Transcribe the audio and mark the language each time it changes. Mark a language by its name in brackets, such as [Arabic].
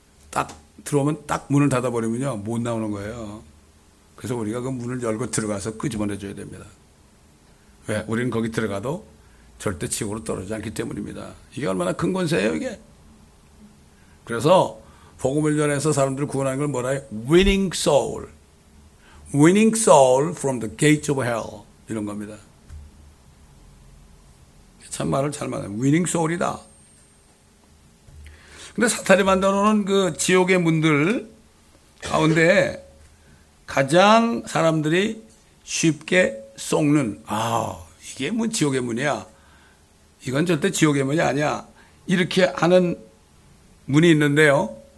[Korean] 딱 들어오면 딱 문을 닫아버리면요. 못 나오는 거예요. 그래서 우리가 그 문을 열고 들어가서 끄집어내줘야 됩니다. 왜? 우리는 거기 들어가도 절대 지옥으로 떨어지지 않기 때문입니다. 이게 얼마나 큰 권세예요 이게. 그래서 복음을 전해서 사람들을 구원하는 걸 뭐라 해요? [English] Winning soul. Winning soul from the gates of hell. [Korean] 이런 겁니다. 참 말을 잘 만나요. [English] Winning soul이다. [Korean] 근데 사탄이 만들어놓은 그 지옥의 문들 가운데 가장 사람들이 쉽게 속는, 아, 이게 뭐 지옥의 문이야. 이건 절대 지옥의 문이 아니야. 이렇게 하는 문이 있는데요.